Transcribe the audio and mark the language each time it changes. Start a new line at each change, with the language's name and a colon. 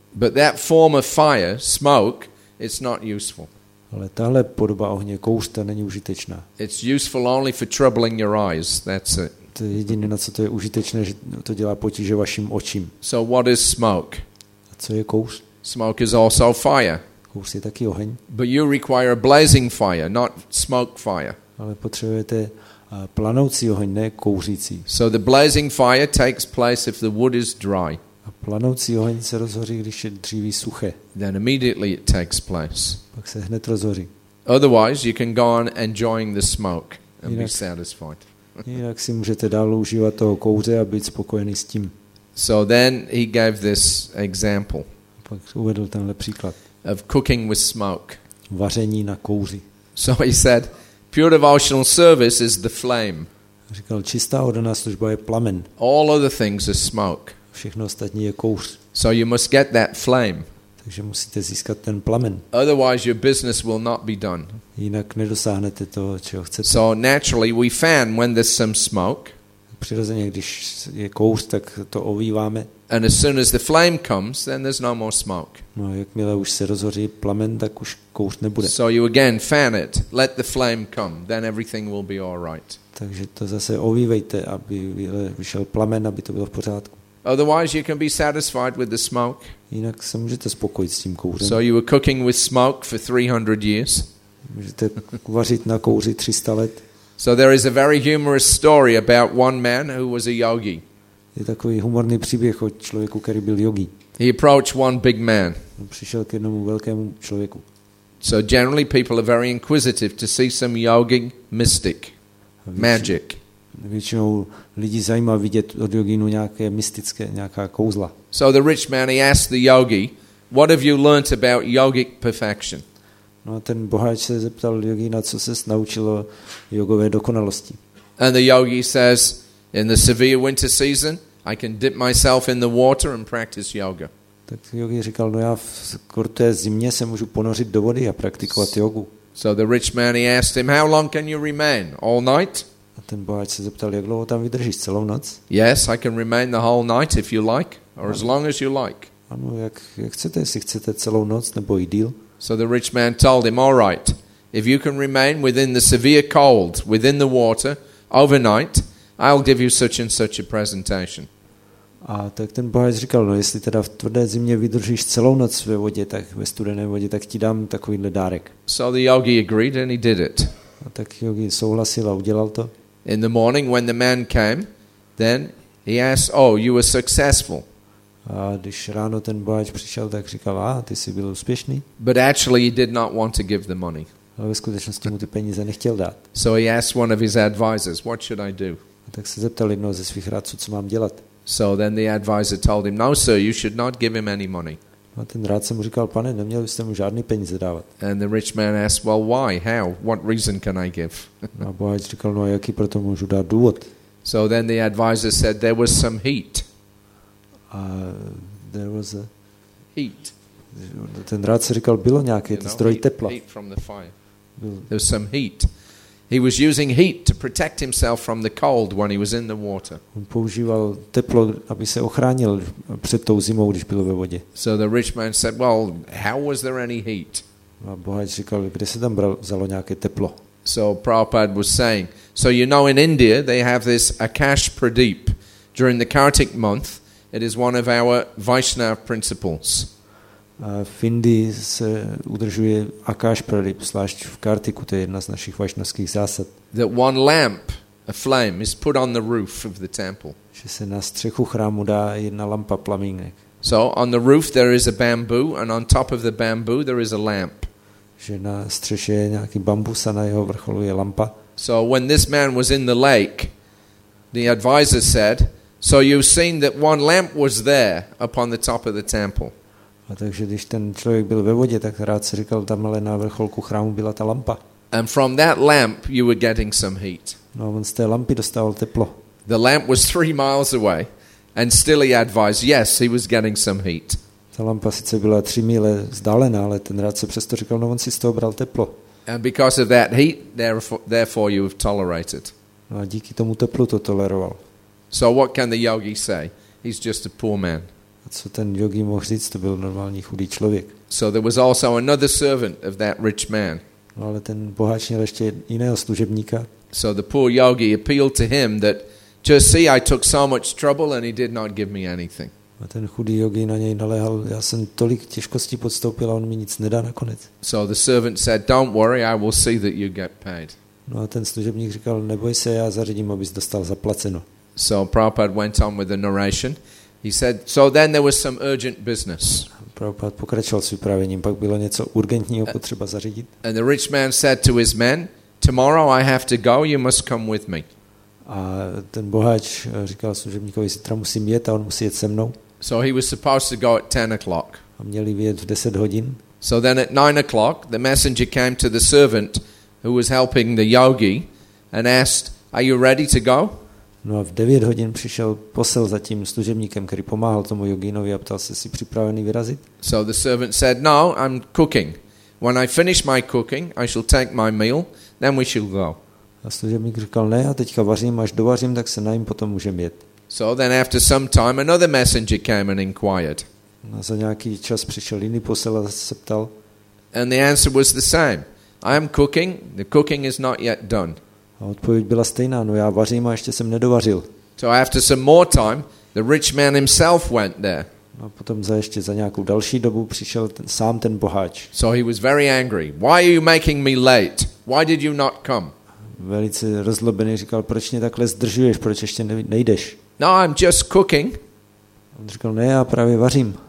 English: But that form of fire, smoke, it's not useful.
Czech: Ale tahle podoba ohně, kouř, ta není užitečná.
English: It's useful only for troubling your eyes. That's it.
Czech: To je jediné, na co to je užitečné, že to dělá potíže vašim očím.
English: So what is smoke?
Czech: A co je kouř?
English: Smoke is also fire.
Czech: Kouř je taky oheň.
English: But you require a blazing fire, not smoke fire.
Czech: Ale potřebujete planoucí oheň, ne kouřící.
English: So the blazing fire takes place if the wood is dry.
Czech: A planoucí oheň se rozhoří, když je dříví suché.
English: Then immediately it takes place.
Czech: Pak se hned rozhoří.
English: Otherwise you can go on enjoying the smoke and be satisfied.
Czech: Jinak si můžete dál užívat toho kouře a být spokojený s tím.
English: So then he gave this example.
Czech: Pak uvedl tenhle příklad.
English: Of cooking with smoke.
Czech: Vaření na kouři.
English: So he said, pure devotional service is the flame.
Czech: Říkal, čistá oddaná služba je plamen.
English: All other things are smoke.
Czech: Všechno ostatní je kouř.
English: So you must get that flame.
Czech: Takže musíte získat ten plamen.
English: Otherwise your business will not be done.
Czech: Jinak nedosáhnete toho, čeho chcete.
English: So naturally we fan when there's some smoke.
Czech: Přirozeně, když je kouř, tak to ovíváme.
English: And as soon as the flame comes, then there's no more smoke.
Czech: No, jakmile už se rozhoří plamen, tak už kouř nebude.
English: So you again fan it, let the flame come, then everything will be all right.
Czech: Takže to zase ovívejte, aby vyšel plamen, aby to bylo v pořádku.
English: Otherwise you can be satisfied with the smoke.
Czech: Jinak se můžete spokojit s tím kouřem.
English: So you were cooking with smoke for 300 years.
Czech: Můžete vařit na kouři 300 let.
English: So there is a very humorous story about one man who was a yogi.
Czech: Je takový humorný příběh o člověku, který byl yogi.
English: He approached one big man.
Czech: Přišel k jednomu velkému člověku.
English: So generally people are very inquisitive to see some yogi mystic magic.
Czech: Většinou lidi zajímá vidět od yoginu nějaké mystické, nějaká kouzla.
English: So the rich man, he asked the yogi, what have you learnt about yogic perfection?
Czech: No a ten boháč se zeptal yogina, co se naučilo jogové dokonalosti.
English: And the yogi says, in the severe winter season, I can dip myself in the water and practice yoga.
Czech: Tak yogi říkal, no já v kruté zimě se můžu ponořit do vody a praktikovat jogu.
English: So the rich man, he asked him, how long can you remain? All night?
Czech: Ten boháč se zeptal, jak dlouho tam vydržíš, celou noc?
English: Yes, I can remain the whole night if you like, or as long as you like.
Czech: Ano, jak chcete, jestli chcete celou noc nebo i díl?
English: So the rich man told him, all right, if you can remain within the severe cold, within the water, overnight, I'll give you such and such a presentation.
Czech: A tak ten boháč říkal, no jestli teda v tvrdé zimě vydržíš celou noc ve vodě, tak ve studené vodě, tak ti dám takovýhle dárek.
English: So the yogi agreed and he did it.
Czech: A tak yogi souhlasil a udělal to.
English: In the morning when the man came, then he asked, oh, you were successful.
Czech: A když ráno ten boháč přišel, tak říkal, ty jsi byl úspěšný.
English: But actually he did not want to give the money.
Czech: Ale ve skutečnosti mu ty peníze nechtěl dát.
English: So he asked one of his advisors, what should I do?
Czech: A tak se zeptal jednoho ze svých radců, co mám dělat.
English: So then the advisor told him, no sir, you should not give him any money.
Czech: A ten radce mu říkal, pane, neměl byste mu žádný peníze dávat.
English: And the rich man asked, well, why, how, what reason can I give?
Czech: A boháč říkal, no a jaký proto můžu dát důvod?
English: So then the advisor said, there was some heat. There was a heat.
Czech: Ten radce říkal, bylo nějaké zdroj tepla.
English: Heat from the fire. There was some heat. He was using heat to protect himself from the cold when he was in the water.
Czech: On používal teplo, aby se ochránil před tou zimou, když byl ve vodě.
English: So the rich man said, well, how was there any heat?
Czech: A boháč říkal, kde se tam vzalo nějaké teplo?
English: So Prabhupada was saying, so you know in India they have this Akash Pradeep. During the Kartik month, it is one of our Vaishnav principles.
Czech: V Indii se udržuje Akash Pradip, zvlášť v Kartiku, to je jedna z našich vaishnavských zásad.
English: That one lamp, a flame, is put on the roof of the temple.
Czech: Že se na střechu chrámu dá jedna lampa, plamínek.
English: So on the roof there is a bamboo, and on top of the bamboo there is a lamp.
Czech: Že na střeše je nějaký bambus a na jeho vrcholu je lampa.
English: So when this man was in the lake, the advisor said, so you've seen that one lamp was there upon the top of the temple.
Czech: A takže když ten člověk byl ve vodě, tak rád se říkal, tam ale na vrcholku chrámu byla ta lampa.
English: And from that lamp you were getting some heat.
Czech: No, on z té lampy dostával teplo.
English: The lamp was 3 miles away and still he advised, yes, he was getting some heat.
Czech: Ta lampa sice byla 3 míle vzdálená, ale ten rád se přesto říkal, no on si z toho bral teplo.
English: And because of that heat, therefore you have tolerated.
Czech: No a díky tomu teplu to toleroval.
English: So what can the yogi say? He's just a poor man.
Czech: A co ten jogi mohl říct, to byl normální chudý člověk.
English: So there was also another servant of that rich man.
Czech: No, ale ten boháč měl ještě jiného služebníka.
English: So the poor yogi appealed to him that just see, I took so much trouble and he did not give me anything.
Czech: A ten chudý jogi na něj naléhal, já jsem tolik těžkostí podstoupil a on mi nic nedá nakonec.
English: So the servant said, don't worry, I will see that you get paid.
Czech: No a ten služebník říkal, neboj se, já zařídím, abys dostal zaplaceno.
English: So Prabhupada went on with the narration. He said, so then there was some urgent business.
Czech: Prabhupada pokračoval s vyprávěním, pak bylo něco urgentního potřeba zařídit.
English: And the rich man said to his men, tomorrow I have to go, you must come with me.
Czech: A ten boháč říkal služebníkovi, zítra musím jet a on musí jet se mnou.
English: So he was supposed to go at 10 o'clock.
Czech: A měli vyjet v 10 hodin.
English: So then at 9 o'clock, the messenger came to the servant who was helping the yogi and asked, are you ready to go?
Czech: No a v 9 hodin přišel posel za tím služebníkem, který pomáhal tomu jogínovi a ptal se, jsi připravený vyrazit?
English: So the servant said, no, I'm cooking. When I finish my cooking, I shall take my meal, then we shall go.
Czech: A služebník říkal, ne, já teďka vařím, až dovařím, tak se najím, potom můžem jet.
English: So then after some time, another messenger came and inquired.
Czech: A za nějaký čas přišel jiný posel a zase se ptal.
English: And the answer was the same. I am cooking, the cooking is not yet done.
Czech: A odpověď byla stejná, no já vařím a ještě jsem nedovařil.
English: So after some more time, the rich man himself went there.
Czech: A potom za ještě za nějakou další dobu přišel ten, sám ten boháč.
English: So he was very angry. Why are you making me late? Why did you not come?
Czech: Velice rozlobený říkal, proč mě takhle zdržuješ, proč ještě nejdeš?
English: No, I'm just cooking.
Czech: On říkal, ne, já právě vařím.